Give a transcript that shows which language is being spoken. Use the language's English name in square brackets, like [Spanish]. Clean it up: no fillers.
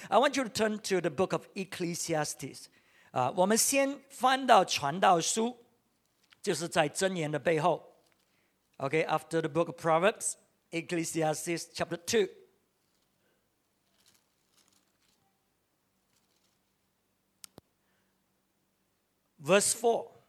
[English] I want you to turn to the book of Ecclesiastes. [Chinese] 我们先翻到传道书，就是在箴言的背后. [English] Okay, after the book of Proverbs, Ecclesiastes chapter 2. Verse 4.